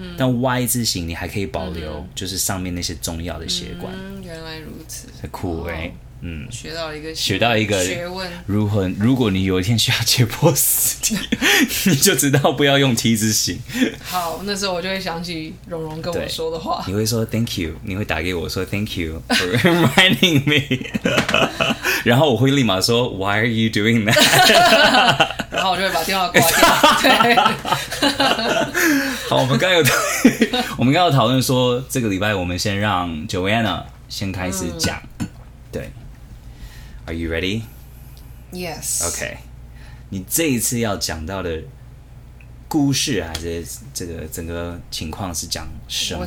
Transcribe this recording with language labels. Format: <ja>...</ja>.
<zh>但 Y 字形你还可以保留，就是上面那些重要的血管。原来如此，酷欸，学到一个学问。如果你有一天需要解剖尸体，你就知道不要用梯子行。好，那时候我就会想起蓉蓉跟我说的话。你会说</zh> <en>Thank you，</en> <zh>你会打给我说</zh> <en>Thank you for reminding me，</en> <zh>然后我会立马说</zh> <en>Why are you doing that？</en> <zh>然后我就会把电话挂掉。对。好，我们刚有讨论说，这个礼拜我们先让 Joanna 先开始讲。</zh> <en>对 ，Are you ready? Yes.</en> <zh>OK， 你这一次要讲到的故事还是这个整个情况是讲什么呢？</zh>